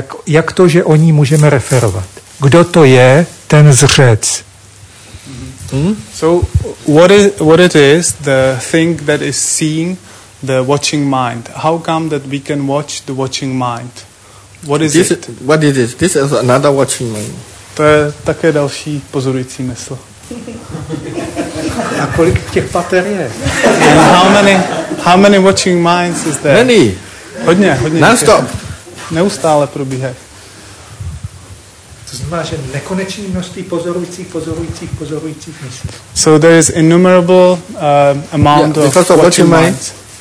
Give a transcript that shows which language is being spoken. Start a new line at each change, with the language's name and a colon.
Czech: Jak to, že o ní můžeme referovat? Kdo to je, ten zřec?
English: So, what it is, the thing that is seeing the watching mind? How come that we can watch the watching mind? What is it? This is another watching mind.
Czech: To je také další pozorující mysl. A kolik těch pater je?
English: And how many watching minds is there? Many.
Czech: Hodně.
English: Non-stop.
Czech: Neustále probíhá. To znamená, že nekonečný množství pozorujících myslí.
English: So there is innumerable amount of watching, minds.